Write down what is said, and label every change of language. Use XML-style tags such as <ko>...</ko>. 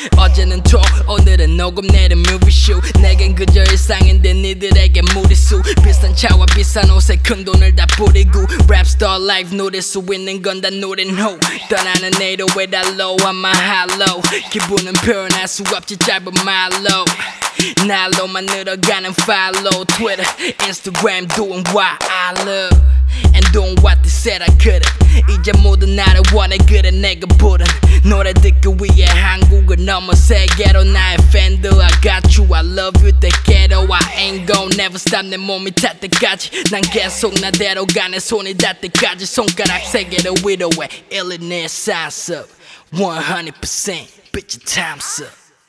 <ko>어제는 tour, 오늘은 녹음, 내일은 뮤비슛. 내겐 그저 일상인데 니들에게 무리수. 비싼 차와 비싼 옷에 큰 돈을 다 뿌리고 랩스타 life 누릴 수 있는 건 다 누린 후 떠나는 내일을 왜 다 low,</ko> <en>I'm a hollow.</en> <ko>기분은 표현할 수 없지 짧은 말로 날로만 늘어가는 follow.</ko> <en>Twitter, Instagram, doing what I love and doing what they said I couldn't.</en> <ko>이제 모두 나를 원해 그래 내가 부른 노래 듣기 위해 한국을 넘어 세계로. 나의 팬들</ko> <en>I got you I love you</en> <ko>대개로</ko> <en>I ain't gon' never stop</en> <ko>내 몸이 탈 때까지 난 계속 나대로 가 내 손이 닿 때까지 손가락 세계를 위로해</ko> <en>Illinois signs up 100% bitch your time's up.</en>